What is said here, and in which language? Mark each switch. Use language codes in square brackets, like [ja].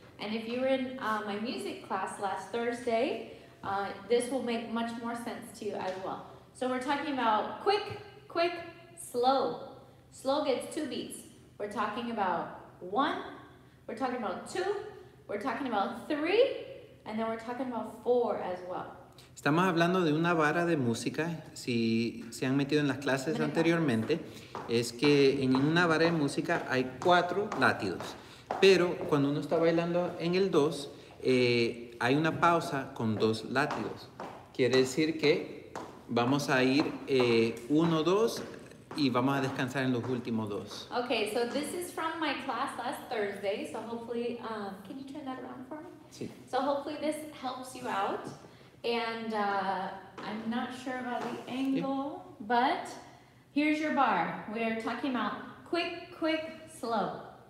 [en] And if you were in my music class last Thursday, this will make much more sense to you as well. So we're talking about quick, quick, slow. Slow gets two beats. We're talking about one, we're talking about two, we're talking about three, and then we're talking about four as well. [es] Estamos hablando de una vara de música. Si se han metido en las clases anteriormente, es que en una vara de música hay cuatro latidos. Pero cuando uno está bailando en el dos, hay una pausa con dos látigos. Quiere decir que vamos a ir uno, dos, y vamos a descansar en los últimos dos. [en] Okay, so this is from my class last Thursday. So hopefully, can you turn that around for me? [es] Sí. [en] So hopefully this helps you out. And I'm not sure about the angle, yeah. But here's your bar. We are talking about quick, quick, slow.